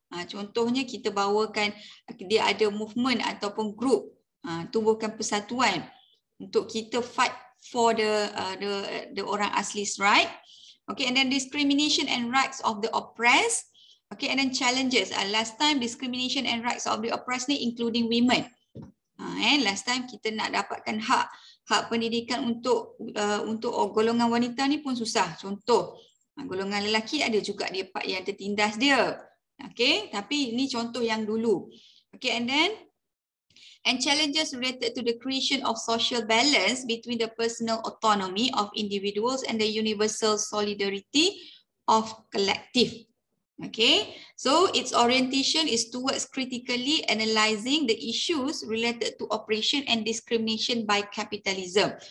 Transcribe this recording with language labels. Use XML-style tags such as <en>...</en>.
<ms>Contohnya kita bawakan dia ada movement ataupun group, tubuhkan persatuan untuk kita</ms> <en>fight for the</en> <ms>orang asli's right.</ms> <en>Okay, and then discrimination and rights of the oppressed. Okay, and then challenges. Last time discrimination and rights of the oppressed ni including women. And last time</en> <ms>kita nak dapatkan hak pendidikan untuk golongan wanita ni pun susah. Contoh, golongan lelaki ada juga dia part yang tertindas dia. Okay, tapi ni contoh yang dulu.</ms> <en>Okay, and then and challenges related to the creation of social balance between the personal autonomy of individuals and the universal solidarity of collective. Okay, so its orientation is towards critically analyzing the issues related to oppression and discrimination by capitalism.</en>